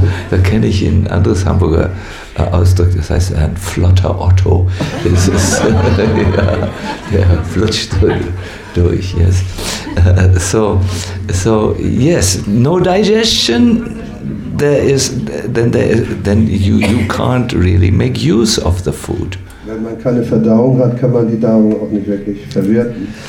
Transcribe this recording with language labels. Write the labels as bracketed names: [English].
[German] Da kenne ich ein anderes Hamburger Ausdruck, das heißt ein flotter Otto. Das ist, ja, der flutscht durch, yes. [English] So yes, no digestion, then you can't really make use of the food. [German] Wenn man keine Verdauung hat, kann man die Darm auch nicht wirklich verwerten.